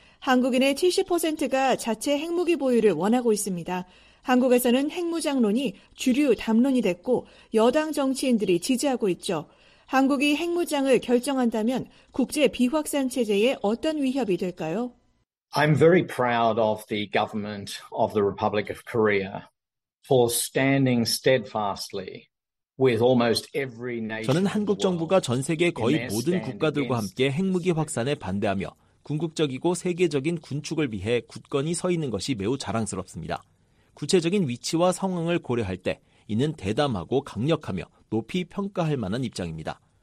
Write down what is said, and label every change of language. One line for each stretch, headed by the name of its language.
Korean: 한국인의 70%가 자체 핵무기 보유를 원하고 있습니다. 한국에서는 핵무장론이 주류 담론이 됐고 여당 정치인들이 지지하고 있죠. 한국이 핵무장을 결정한다면 국제 비확산 체제에 어떤 위협이 될까요?
English: I'm very proud of the government of the Republic of Korea for standing steadfastly with almost every nation.
Korean: 저는 한국 정부가 전 세계 거의 모든 국가들과 함께 핵무기 확산에 반대하며 궁극적이고 세계적인 군축을 위해 굳건히 서 있는 것이 매우 자랑스럽습니다. 구체적인 위치와 상황을 고려할 때 이는 대담하고 강력하며 높이 평가할 만한 입장입니다.